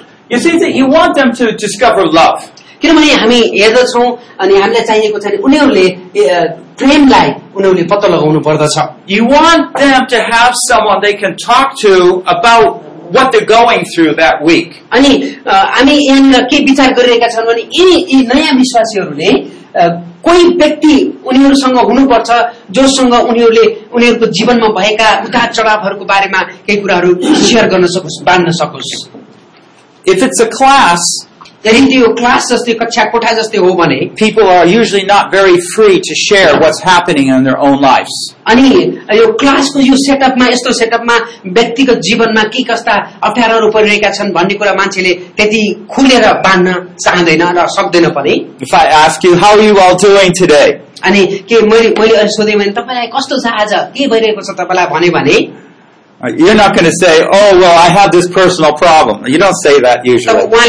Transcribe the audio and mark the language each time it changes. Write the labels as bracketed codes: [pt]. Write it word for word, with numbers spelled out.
[en] You see that you want them to discover love. [ne] किनभने हामी हेर्दछौ अनि हामीलाई चाहिएको चाहिँ उनीहरुले प्रेमलाई उनीहरुले पत्ता लगाउनु पर्दछ। [en] You want them to have someone they can talk to about what they're going through that week. [ne] अनि हामी यहाँनिर के विचार गरिरहेका छौं भने यी नयाँ विश्वासीहरूले कोही व्यक्ति उनीहरूसँग हुनुपर्छ जोसँग उनीहरूले उनीहरूको जीवनमा भएका उतार चढावहरूको बारेमा केही कुराहरू शेयर गर्न सकोस्, बाँड्न सकोस्। [en] If it's a class, [ne] यदि यो क्लास जस्तै कक्षा कोठा जस्तै हो भने [en] people are usually not very free to share what's happening in their own lives. [ne] अनि यो क्लासको यो सेटअपमा यस्तो सेटअपमा व्यक्तिगत जीवनमा के कस्ता अप्ठ्याराहरू परिरहेका छन् भन्ने कुरा मान्छेले त्यति खुलेर बाँड्न चाहदैन र सक्दैन पनि। [en] If I ask you how are you all doing today? [ne] अनि के मैले मैले सोधेँ भने तपाईलाई कस्तो छ आज, के भइरहेको छ तपाईलाई भने भने [en] you're not going to say, oh, well, I have this personal problem. You don't say that usually.